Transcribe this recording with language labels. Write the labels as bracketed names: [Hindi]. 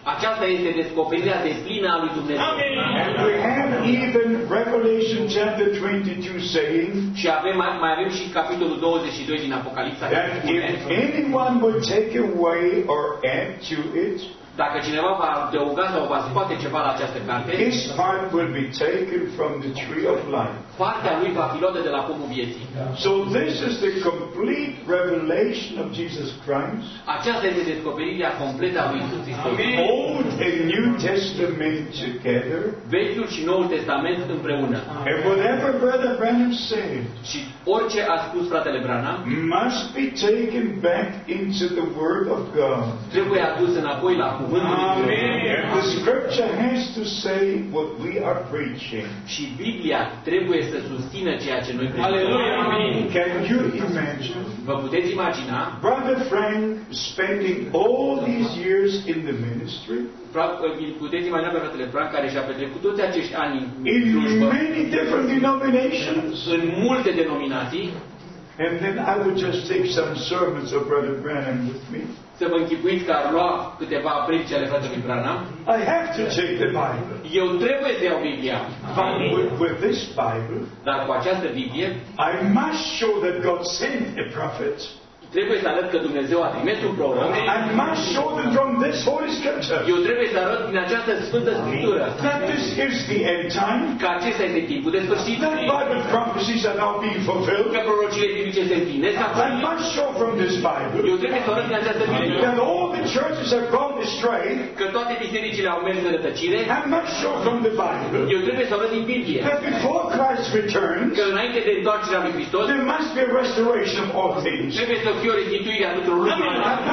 [Romanian] Aceasta este descoperirea deplină a lui Dumnezeu. [English] And we have even Revelation chapter 22 saying. [Romanian] Și avem mai avem și capitolul 22 din Apocalipsa. [English] That if anyone will take away or add to it. [Romanian] Dacă cineva va adăuga sau va scoate ceva la această carte, [English] his part will be taken from the tree of life. [Romanian] Partea lui va fi luată de la pomul vieții. [English] So this is the complete revelation of Jesus Christ. [Romanian] Aceasta este descoperirea completă a lui Isus Hristos. [English] Old and New Testament together. [Romanian] Vechiul și Noul Testament împreună. [English] And whatever Brother Branham said. [Romanian] Și orice a spus fratele Branham [English] must be taken back into the Word of God. [Romanian] Trebuie adus înapoi la Amen. [English] The scripture has to say what we are preaching. [Romanian] Și Biblia trebuie să susțină ceea ce noi predicăm. Aleluia. [English] Can you imagine? [Romanian] Vă puteți imagina? [English] Brother Frank spending all these years in the ministry. [Romanian] Puteți imagina pe fratele Frank care și-a petrecut toți acești ani în slujbă. [English] In many different denominations. [Romanian] În multe denominații. [English] And then I would just take some sermons of Brother Branham with me. [Romanian] Să vă închipuiți că ar lua câteva predici ale fratelui Branham. [English] I have to take the Bible. [Romanian] Eu trebuie să iau Biblia. [English] With this Bible. [Romanian] Dar cu această Biblie. [English] I must show that God sent a prophet. [Romanian] Trebuie să arăt că Dumnezeu a trimis un proroc. [English] I must show that from this Holy Scripture. [Romanian] Eu trebuie să arăt din această Sfântă Scriptură. [English] That this is the end time. [Romanian] Că acesta este timpul de sfârșit. [English] That Bible prophecies are now being fulfilled. [Romanian] Că prorocile biblice se împlinesc. [English] I must show from this Bible. [Romanian] Eu trebuie să arăt din această Biblie. [English] That all the churches have gone astray. [Romanian] Că toate bisericile au mers în rătăcire. [English] I must show from the Bible. [Romanian] Eu trebuie să arăt din Biblie. [English] That before Christ returns. [Romanian] Că înainte de întoarcerea lui Hristos. [English] There must be a restoration of all things. [Romanian] Fie restituirea pentru lumea.